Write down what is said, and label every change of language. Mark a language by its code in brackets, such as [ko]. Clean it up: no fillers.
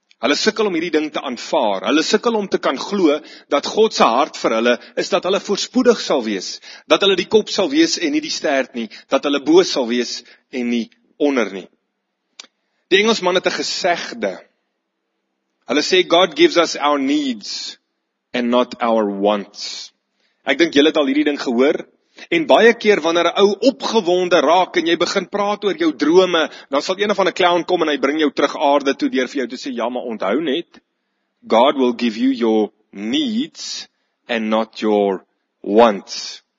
[af] Hulle sukkel om hierdie ding te aanvaar. Hulle sukkel om te kan glo dat God se hart vir hulle is dat hulle voorspoedig sal wees, dat hulle die kop sal wees en nie die stert nie, dat hulle bo sal wees en nie onder nie. Die Engelsman het 'n gesegde. Hulle sê, [en] God gives us our needs and not our wants. [af] Ek dink julle het al hierdie ding gehoor, en baie keer wanneer 'n ou opgewonde raak en jy begin praat oor jou drome, dan sal een van 'n clown kom en hy bring jou terug aarde toe deur vir jou te sê, ja, maar onthou net, [en] God will give you your needs and not your wants.